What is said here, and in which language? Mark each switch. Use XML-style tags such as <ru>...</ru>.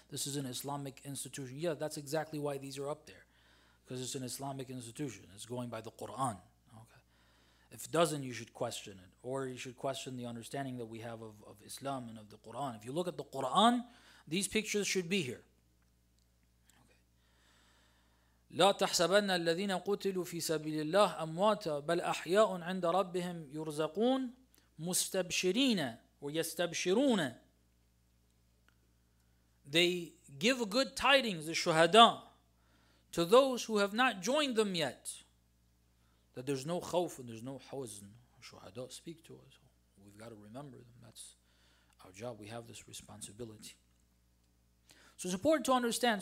<en>This is an Islamic institution. Yeah, that's exactly why these are up there, because it's an Islamic institution. It's going by the Quran. Okay. If it doesn't, you should question it, or you should question the understanding that we have of Islam and of the Quran. If you look at the Quran, these pictures should be here.</en> <ar>لا تحسبن الذين قتلوا في سبيل الله أمواتا بل أحياء عند ربهم يرزقون مستبشرين ويستبشرون.</ar> <en>They give good tidings, the shuhada, to those who have not joined them yet, that there's no khawf and there's no huzn. Shuhada speak to us. We've got to remember them. That's our job. We have this responsibility. So it's important to understand.</en>